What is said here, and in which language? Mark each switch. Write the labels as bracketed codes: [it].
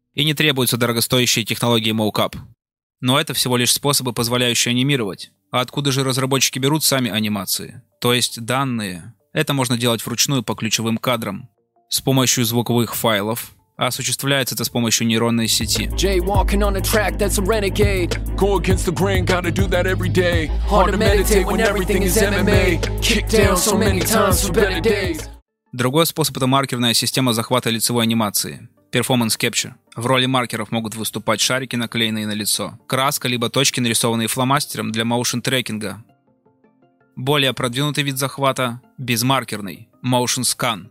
[ru] и не требуются дорогостоящие технологии MoCap. Но это всего лишь способы, позволяющие анимировать. А откуда же разработчики берут сами анимации? То есть данные. Это можно делать вручную по ключевым кадрам. С помощью звуковых файлов. А осуществляется это с помощью нейронной сети. [en] Jaywalking on a track that's a renegade. Go against the grain, gotta do that every day. Hard to meditate when everything is MMA. Kicked down so many times for better days. [ru] Другой способ – это маркерная система захвата лицевой анимации. [en] Performance Capture. [ru] В роли маркеров могут выступать шарики, наклеенные на лицо. Краска, либо точки, нарисованные фломастером для моушн-трекинга. Более продвинутый вид захвата – безмаркерный. [en] Motion Scan.